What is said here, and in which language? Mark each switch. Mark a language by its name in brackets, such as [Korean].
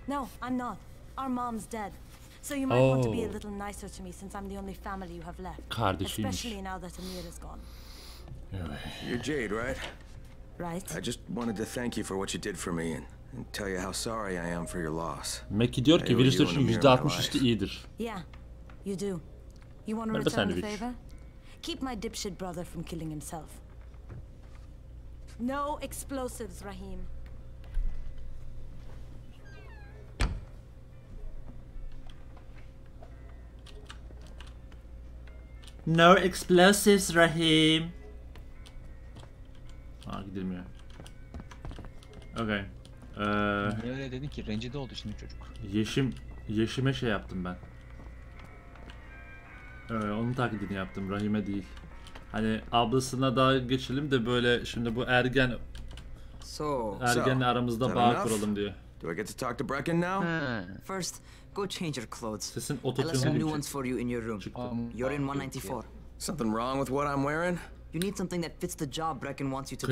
[English] No, I'm not. Our mom's dead. So you might want to be a little nicer to me since I'm the only family you have left. [Turkish] Kardeşim. [English] Especially now that Amir is gone. You're Jade, right? Right. I just wanted to thank you for what you did for me and tell you how sorry I am for your loss. [Turkish] Mackie diyor ki virüsler için %60 üstü iyidir. [English] Yeah, you do. You want to return the favor? Keep my dipshit brother from killing himself. No explosives, Rahim. No explosives, Rahim. [Turkish] Aa, gidilmiyor. Okay. Niye öyle dedin ki? Rencide oldu şimdi çocuk. Yeşime şey yaptım ben. Onun taklidini yaptım, Rahim'e değil. Hani ablasına daha geçelim de böyle şimdi bu ergen... Ergenle aramızda bağ kuralım diyor. [English] Do I get to talk to Bracken now? First, go change your clothes. [Turkish] Sesin [English] auto-tune. I have some new ones for you in your room. You're in 194. Something wrong with what I'm wearing? You need something that fits the job Bracken wants you to do.